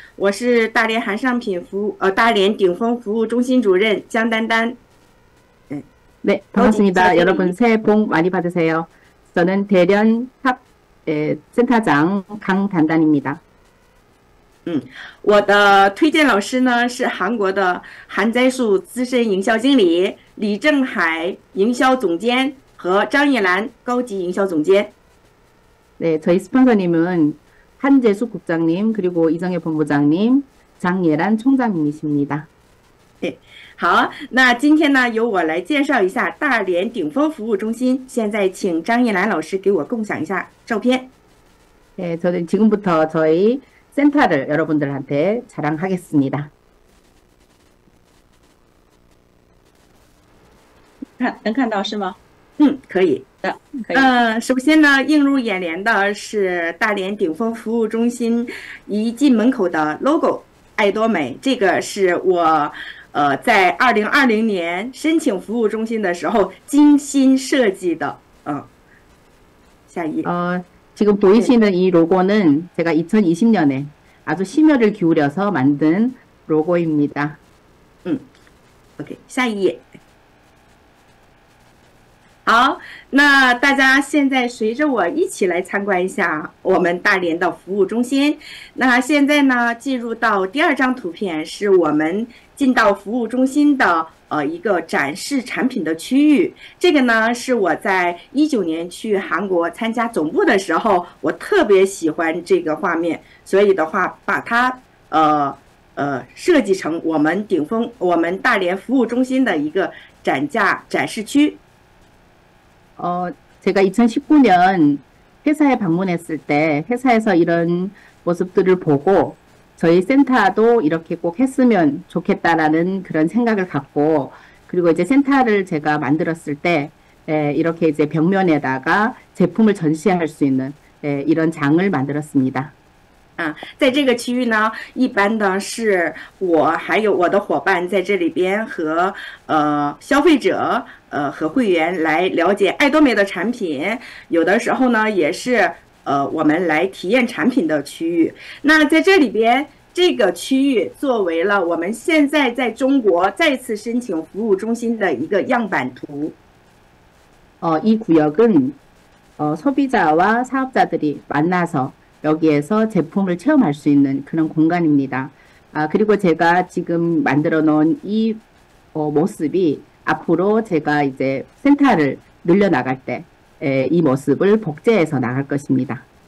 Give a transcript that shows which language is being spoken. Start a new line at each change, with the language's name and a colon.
Chinese: 我是大连韩商品服务，大连顶峰服务中心主任江丹丹。
Korean: 네,
Chinese: 恭喜发
Korean: 반갑습니다. 여러분,
Chinese: 财，
Korean: 새해 복 많이 받으세요. 저는 대련 탑 센터장 강단단입니다.
Chinese: 我的推荐老师呢是韩国的韩栽树资深营销经理李正海，营销总监和张艺兰，高级营销总监。
Korean: 네, 저희 스폰서님은 한재수 국장님, 그리고 이정혜 본부장님, 장예란 총장님이십니다.
Chinese: 好，那今天呢，由我来介绍一下大连顶峰服务中心。现在请张艺兰老师给我共享一下照片。
Korean: 네, 저는 지금부터 저희 센터를 여러분들한테 자랑하겠습니다.
Chinese: 能看到是吗？可以。可以。首先呢，映入眼帘的是大连顶峰服务中心一进门口的 logo，爱多美。这个是我。在2020年申请服务中心的时候精心设计的，下一页，
Korean: 지금 보이시는 이 로고는 제가 2020년에 아주 심혈을 기울여서 만든 로고입니다.
Chinese: OK，下一页。好，那大家现在随着我一起来参观一下我们大连的服务中心。那现在呢，进入到第二张图片，是我们进到服务中心的一个展示产品的区域。这个呢，是我在2019年去韩国参加总部的时候，我特别喜欢这个画面，所以的话把它设计成我们顶峰，我们大连服务中心的一个展示区。
Korean: 제가 2019년 회사에 방문했을 때 회사에서 이런 모습들을 보고 저희 센터도 이렇게 꼭 했으면 좋겠다라는 그런 생각을 갖고 그리고 이제 센터를 제가 만들었을 때 이렇게 이제 벽면에다가 제품을 전시할 수 있는 이런 장을 만들었습니다.
Chinese: 在这个区域呢，一般呢是我还有我的伙伴在这里边和消费者和会员来了解爱多美的产品，有的时候呢也是我们来体验产品的区域。那在这里边，这个区域作为了我们现在在中国再次申请服务中心的一个样板图。
Korean: 이 구역은 소비자와 사업자들이 만나서 여기에서 제품을 체험할 수 있는 그런 공간입니다. 그리고 제가 지금 만들어 놓은 이 모습이 앞으로 제가 이제 센터를 늘려 나갈 때이 모습을 복제해서 나갈 것입니다.